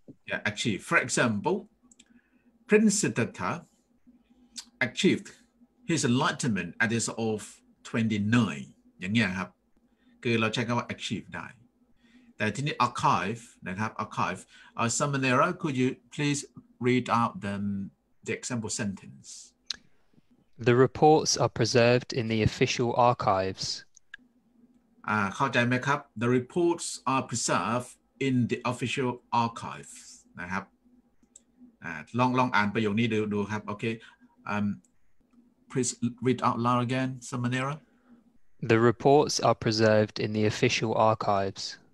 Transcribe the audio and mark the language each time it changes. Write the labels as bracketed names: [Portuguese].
[English] yeah achieve for example Prince Siddhartha achieved his enlightenment at the age of 29 [Thai] อย่างเงี้ยครับคือเราใช้คำว่า achieve ได้แต่ที่นี้ [English] archive นะครับ archive Samanera could you please read out the example sentence the reports are preserved in the official archives [Thai] เข้าใจไหมครับ [English] The reports are preserved in the official archives [Thai] นะครับลองอ่านประโยคนี้ดูครับโอเค [English] Please read out loud again [Thai] Samanera [English] The reports are preserved in the official archives